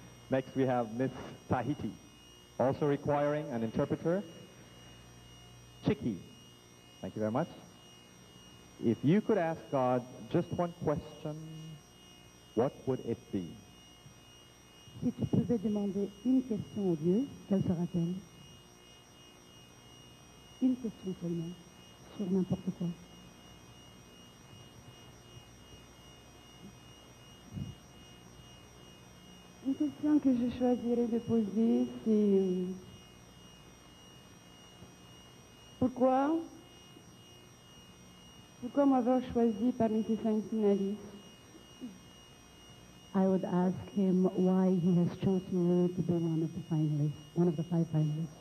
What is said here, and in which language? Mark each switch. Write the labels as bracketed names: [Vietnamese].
[English] Next we have Miss Tahiti, also requiring an interpreter. Chiki, thank you very much. If you could ask God just one question, what would it be? [French] Si tu pouvais demander une question au Dieu, quelle sera-t-elle? Une question seulement, sur n'importe quoi. Une question que je choisirais de poser, c'est pourquoi m'avoir choisi parmi ces cinq finalistes. [English] I would ask him why he has chosen me to be one of the finalists, one of the five finalists.